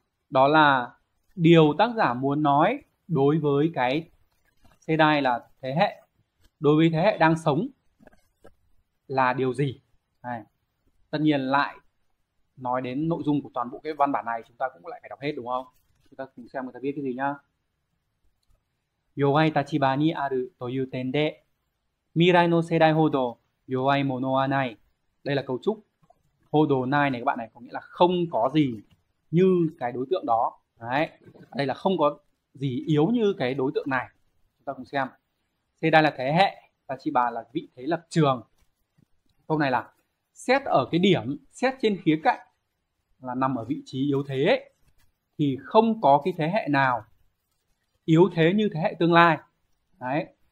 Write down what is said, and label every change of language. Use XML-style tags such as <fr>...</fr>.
<vi>Đó là điều tác giả muốn nói đối với cái seidai là thế hệ, đối với thế hệ đang sống là điều gì? Này. Tất nhiên lại nói đến nội dung của toàn bộ cái văn bản này chúng ta cũng lại phải đọc hết, đúng không? Chúng ta cùng xem người ta viết cái gì nhá.</vi> <ja>Yowai tachiba ni aru という点で未来の世代ほど弱いものはない。</ja> <vi>Đây là cấu trúc hô đồ nai này các bạn này, có nghĩa là không có gì như cái đối tượng đó. Đấy. Đây là không có gì yếu như cái đối tượng này. Chúng ta cùng xem. Thế đây là thế hệ, Tachiba là vị thế lập trường. Câu này là xét ở cái điểm, xét trên khía cạnh là nằm ở vị trí yếu thế ấy, thì không có cái thế hệ nào yếu thế như thế hệ tương lai. Đấy.</vi>